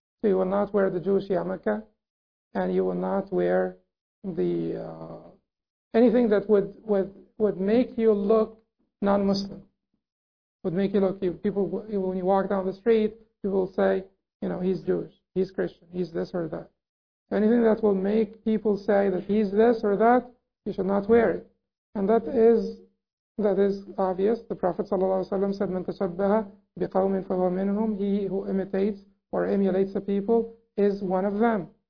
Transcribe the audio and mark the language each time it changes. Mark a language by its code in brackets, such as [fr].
[en] So you will not wear the Jewish yarmulke, and you will not wear the anything that would make you look non-Muslim. Would make you look, people, when you walk down the street, people will say, you know, he's Jewish, he's Christian, he's this or that. Anything that will make people say that he's this or that, you should not wear it. And that is obvious. The Prophet ﷺ said, [ar] "من تشبه بقوم فهو منهم." [en] He who imitates or emulates a people is one of them.